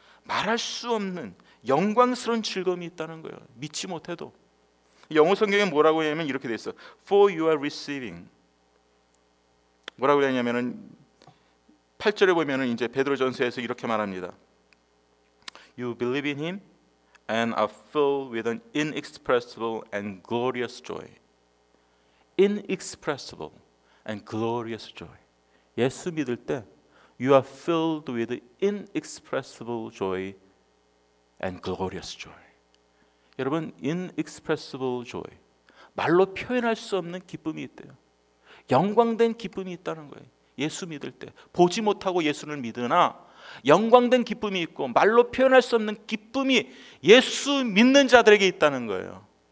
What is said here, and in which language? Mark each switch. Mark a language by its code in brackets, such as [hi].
[ko] 말할 수 없는 영광스러운 즐거움이 있다는 거예요. 믿지 못해도. 영어 성경에 뭐라고 하냐면 이렇게 돼 있어. [en] For you are receiving. [ko] 뭐라고 하냐면은 8절에 보면은 이제 베드로전서에서 이렇게 말합니다. [en] You believe in him and are filled with an inexpressible and glorious joy. Inexpressible and glorious joy. [ko] 예수 믿을 때 [en] you are filled with inexpressible joy and glorious joy. [ko] 여러분, inexpressible joy, 말로 표현할 수 없는 기쁨이 있대요. 영광된 기쁨이 있다는 거예요. 예수 믿을 때 보지 못하고 예수를 믿으나 영광된 기쁨이 있고 말로 표현할 수 없는 기쁨이 예수 믿는 자들에게 있다는 거예요.